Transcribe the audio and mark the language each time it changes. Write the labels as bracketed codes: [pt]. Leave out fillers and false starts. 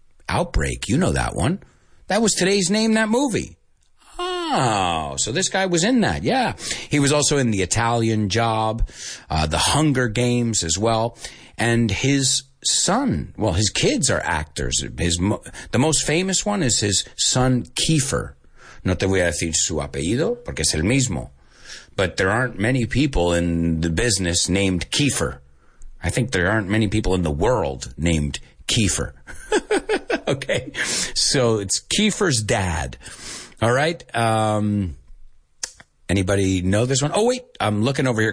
[en] Outbreak, you know that one. That was today's name, that movie. Oh, so this guy was in that. Yeah. He was also in The Italian Job, The Hunger Games as well. And his son, well, his kids are actors. The most famous one is his son, Kiefer. [es] No te voy a decir su apellido, porque es el mismo. [en] But there aren't many people in the business named Kiefer. I think there aren't many people in the world named Kiefer. Okay. So it's Kiefer's dad. All right. Anybody know this one? Oh, wait. I'm looking over here.